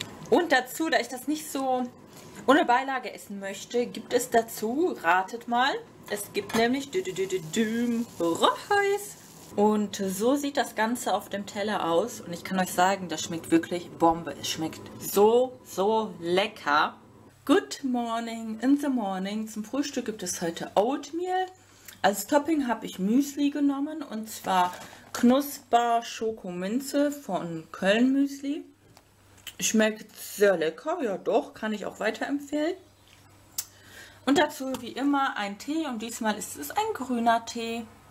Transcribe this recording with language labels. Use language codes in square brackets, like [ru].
[de] Und dazu, da ich das nicht so ohne Beilage essen möchte, gibt es dazu, ratet mal, es gibt nämlich Reis. Und so sieht das Ganze auf dem Teller aus. Und ich kann euch sagen, das schmeckt wirklich Bombe. Es schmeckt so, so lecker. [en] Good morning in the morning. [de] Zum Frühstück gibt es heute Oatmeal. Als Topping habe ich Müsli genommen. Und zwar Knusper-Schoko-Minze von Köln-Müsli. Schmeckt sehr lecker, ja doch, kann ich auch weiterempfehlen. Und dazu wie immer ein Tee und diesmal ist es ein grüner Tee.